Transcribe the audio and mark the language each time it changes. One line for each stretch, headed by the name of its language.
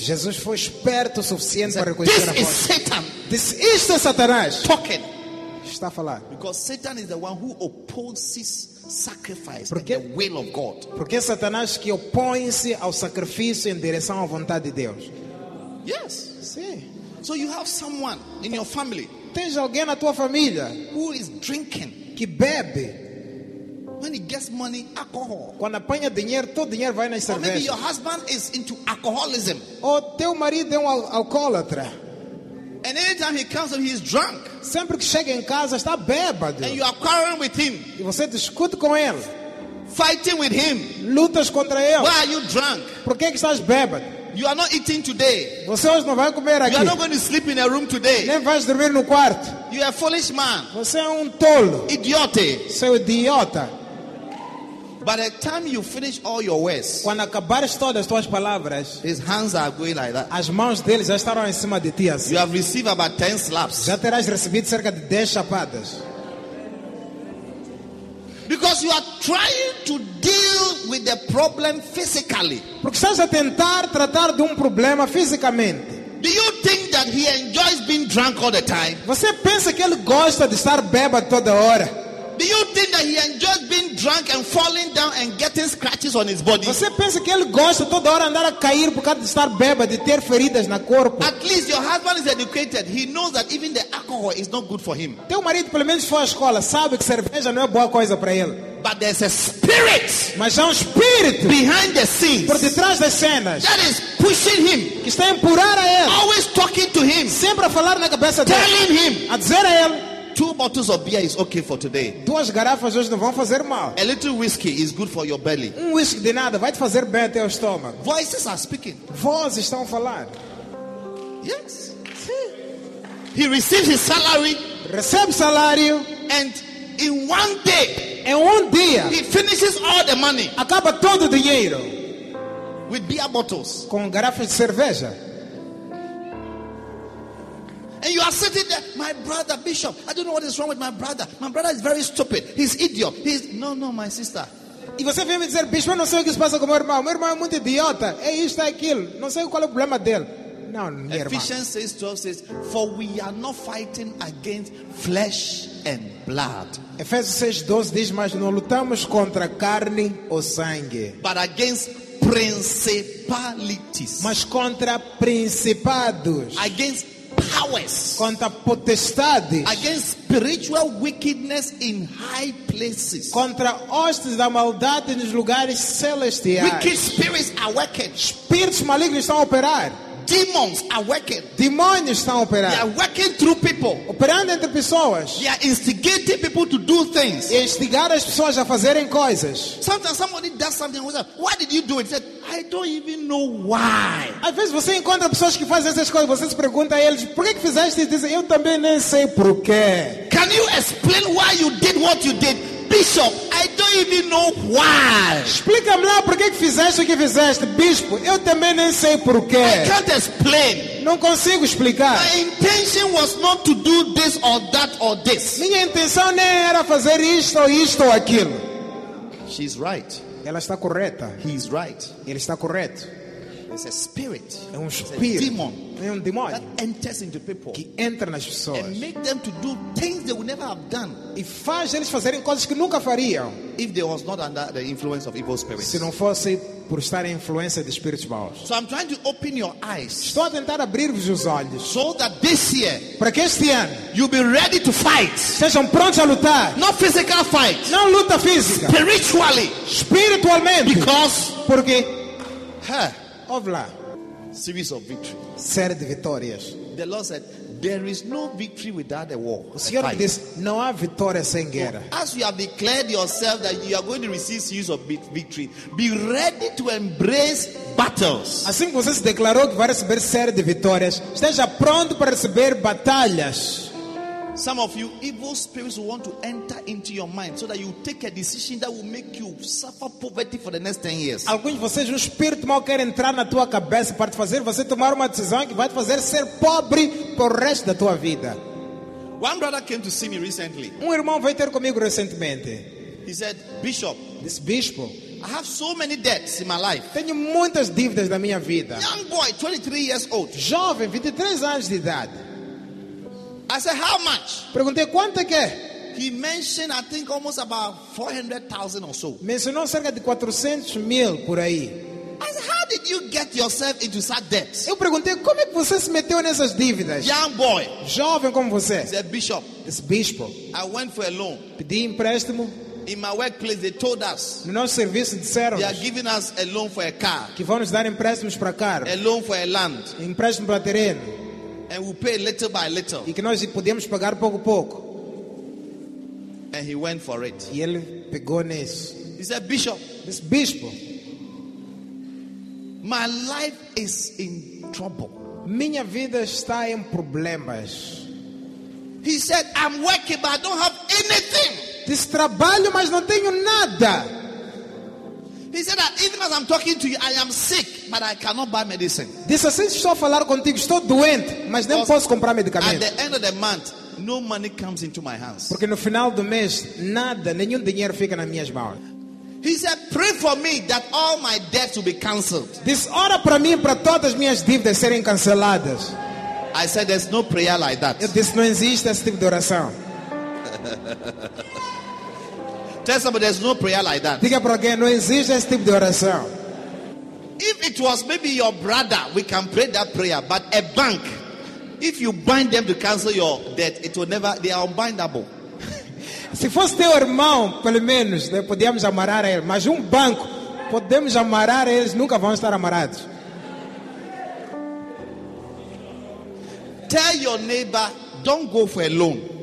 Portuguese: Jesus foi esperto o suficiente para reconhecer a voz.
English: This is Satan. This is the Satanás. Talking.
Portuguese: Está a falar.
English: Because Satan is the one who opposes sacrifice and the will of God.
Portuguese: Porque Satanás que opõe-se ao sacrifício em direção à vontade de Deus.
English: Yes.
Portuguese: Sim.
English: So you have someone in your family.
Portuguese: Tens alguém na tua família
English: who is drinking.
Portuguese: Que bebe.
English: When he gets money, alcohol.
Portuguese: Quando apanha dinheiro, todo dinheiro vai nas cervejas.
English: Or maybe your husband is into alcoholism.
Portuguese: Ou teu marido é alcoólatra.
English: And anytime he comes home, he is drunk.
Portuguese: Sempre que chega em casa, está bêbado.
English: And you are quarreling with him.
Portuguese: E você discute com ele.
English: Fighting with him.
Portuguese: Lutas contra ele.
English: Why are you drunk?
Portuguese: Por que estás bêbado?
English: You are not eating today.
Portuguese: Você hoje não vai comer aqui.
English: You are not going to sleep in a room today.
Portuguese: Nem vais dormir no quarto.
English: You are a foolish man.
Portuguese: Você é tolo.
English: Idiote.
Portuguese: Seu idiota.
English: By the time you finish all your words,
Portuguese: quando acabares todas as tuas palavras,
English: his hands are going like that.
Portuguese: As mãos dele já estarão em cima de ti assim.
English: You have received about 10 slaps.
Portuguese: Já terás recebido cerca de 10 chapadas.
English: Because you are trying to deal with the problem physically.
Portuguese: Porque estás a tentar tratar de problema fisicamente.
English: Do you think that he enjoys being drunk all the time?
Portuguese: Você pensa que ele gosta de estar bêbado toda hora?
English: Do you think that he enjoys being drunk and falling down and getting scratches on his body?
Portuguese: Você pensa que ele gosta toda hora andar a cair por causa de estar bêbado, de ter feridas no corpo?
English: At least your husband is educated. He knows that even the alcohol is not good for him.
Portuguese: Teu marido pelo menos foi à escola, sabe que cerveja não é boa coisa para ele.
English: But there's a spirit.
Portuguese: Mas há espírito
English: behind the scenes.
Portuguese: Por detrás das cenas.
English: That is pushing him.
Portuguese: Que está a empurrar a ele.
English: Always talking to him.
Portuguese: Sempre a falar na cabeça dele.
English: Telling him.
Portuguese: A dizer a ele.
English: Two bottles of beer is okay for today.
Portuguese: Duas garrafas hoje não vão fazer mal.
English: A little whiskey is good for your belly.
Portuguese: Whiskey de nada vai te fazer bem até o estômago.
English: Voices are speaking.
Portuguese: Vozes estão falando.
English: Yes. He receives his salary.
Portuguese: Recebe salário.
English: And in one day.
Portuguese: Em dia.
English: He finishes all the money.
Portuguese: Acaba todo o dinheiro.
English: With beer bottles.
Portuguese: Com garrafas de cerveja.
English: And you are sitting there, my brother, Bishop, I don't know what is wrong with my brother. My brother is very stupid. He's idiot. He's no, my sister.
Portuguese: E você vem me dizer, Bishop, eu não sei o que se passa com meu irmão é muito idiota. É isto, é aquilo. Não sei qual é o problema dele. Não, minha irmã.
English: Ephesians 6:12 says, for we are not fighting against flesh and blood.
Portuguese: Efésios 6:12 diz, mas não lutamos contra carne ou sangue.
English: But against principalities.
Portuguese: Mas contra principados.
English: Against powers,
Portuguese: contra potestades,
English: against spiritual wickedness in high places,
Portuguese: contra hostes da maldade nos lugares celestiais.
English: Wicked spirits are working.
Portuguese: Espíritos malignos estão a operar.
English: Demons are working.
Portuguese: Demônios estão a operar.
English: They are working through people.
Portuguese: Operando entre pessoas.
English: They are instigating people to do things.
Portuguese: E instigar as pessoas a fazerem coisas.
English: Sometimes somebody does something. Why did you do it? He said, I don't even know why.
Portuguese: Às vezes você encontra pessoas que fazem essas coisas. Você se pergunta a eles, por que fizeste isso? Dizem, eu também nem sei porquê.
English: Can you explain why you did what you did? Bishop, I don't even know why.
Portuguese: Explica-me lá por que fizeste o que fizeste, bispo. Eu também nem sei porquê.
English: I can't explain.
Portuguese: Não consigo explicar.
English: My intention was not to do this or that or this.
Portuguese: Minha intenção nem era fazer isto ou isto ou aquilo.
English: She's right.
Portuguese: Ela está correta.
English: He's right.
Portuguese: Ele está correto.
English: It's a spirit.
Portuguese: É espírito.
English: It's a demon.
Portuguese: É demônio
English: that enters into people,
Portuguese: que entra nas pessoas,
English: and make them to do things they would never have done,
Portuguese: e faz eles fazerem coisas que nunca fariam,
English: if they was not under the influence of evil spirits.
Portuguese: Se não fosse por estar em influência de espíritos maus.
English: So I'm trying to open your eyes.
Portuguese: Estou a tentar abrir-vos os olhos.
English: So that this year,
Portuguese: para que este ano,
English: you'll be ready to fight.
Portuguese: Sejam prontos a lutar.
English: Not physical fight.
Portuguese: Não luta física.
English: Spiritually.
Portuguese: Espiritualmente.
English: Because.
Portuguese: Porque.
English: Her. Of lá. Series of victory.
Portuguese: Série de vitórias.
English: The Lord said, there is no victory without a war.
Portuguese: O Senhor disse, não há vitória sem guerra.
English: So, as you have declared yourself that you are going to receive series of victory, be ready to embrace battles.
Portuguese: Assim que você se declarou que vai receber série de vitórias, esteja pronto para receber batalhas.
English: Some of you evil spirits want to enter into your mind so that you take a decision that will make you suffer poverty for the next 10 years.
Portuguese: Alguns de vocês, um espírito mau quer entrar na tua cabeça para te fazer você tomar uma decisão que vai te fazer ser pobre por resto da tua vida.
English: One brother came to see me recently.
Portuguese: Um irmão veio ter comigo recentemente.
English: He said, "Bishop, this bishop, I have so many debts in my life."
Portuguese: Tenho muitas dívidas na minha vida.
English: Young boy, 23 years old.
Portuguese: Jovem, 23 anos de idade.
English: I said, "How much?"
Portuguese: Perguntei quanto é que é.
English: He mentioned, I think, almost about 400,000 or so.
Portuguese: Mencionou cerca de 400,000 por aí.
English: I said, "How did you get yourself into such debts?"
Portuguese: Eu perguntei como é que você se meteu nessas dívidas.
English: Young boy,
Portuguese: jovem como você.
English: He said, "Bishop, this bishop, I went for a loan."
Portuguese: Pedi empréstimo.
English: In my workplace, they told us,
Portuguese: no nosso serviço, disseram,
English: they are giving us a loan for a car.
Portuguese: Que vão nos dar empréstimos para carro.
English: A loan for a land.
Portuguese: Empréstimo para terreno.
English: And we pay little by little.
Portuguese: E que nós podemos pagar pouco a pouco.
English: And he went for it.
Portuguese: E ele pegou nisso.
English: He said, "Bishop, this bishop, my life is in trouble."
Portuguese: Minha vida está em problemas.
English: He said, "I'm working, but I don't have anything."
Portuguese: Diz, trabalho, mas não tenho nada.
English: He said that even as I'm talking to you, I am sick, but I cannot buy medicine.
Portuguese: Diz, assim, estou a falar contigo, estou doente, mas nem posso comprar medicamento.
English: At the end of the month, no money comes into my hands.
Portuguese: Porque no final do mês, nada, nenhum dinheiro fica nas minhas mãos.
English: He said, "Pray for me that all my debts will be canceled."
Portuguese: Diz, ora para mim, para todas as minhas dívidas serem canceladas.
English: I said, "There's no prayer like that."
Portuguese: Eu disse, não existe esse tipo de oração.
English: Tell somebody there's no prayer like that.
Portuguese: Diga para alguém, não existe esse tipo de oração.
English: If it was maybe your brother, we can pray that prayer. But a bank, if you bind them to cancel your debt, it will never, they are unbindable.
Portuguese: Se fosse teu irmão, pelo menos, né, podíamos amarrar ele. Mas um banco, podemos amarrar eles, nunca vão estar amarrados.
English: Tell your neighbor, "Don't go for a loan."